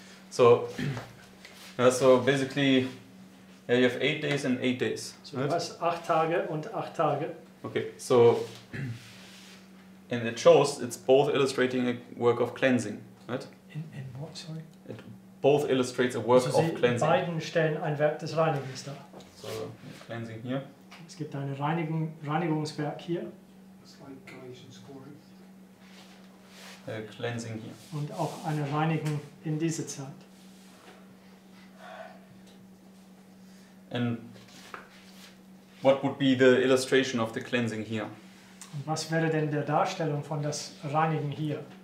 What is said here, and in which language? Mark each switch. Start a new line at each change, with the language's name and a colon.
English: So, so basically, yeah, you have 8 days and 8 days.
German: So right? Du hast 8 Tage und 8 Tage.
English: Okay, so and it shows it's both illustrating a work of cleansing, right? In what, sorry? It both illustrates a work
German: also
English: of cleansing.
German: Also beiden stellen ein Werk des Reinigens dar.
English: So cleansing here.
German: Es gibt ein Reinigungswerk hier.
English: It's like Galatians 4. Cleansing here.
German: Und auch eine Reinigung in dieser Zeit.
English: And what would be the illustration of the cleansing here?
German: Und was wäre denn der Darstellung von das Reinigen hier?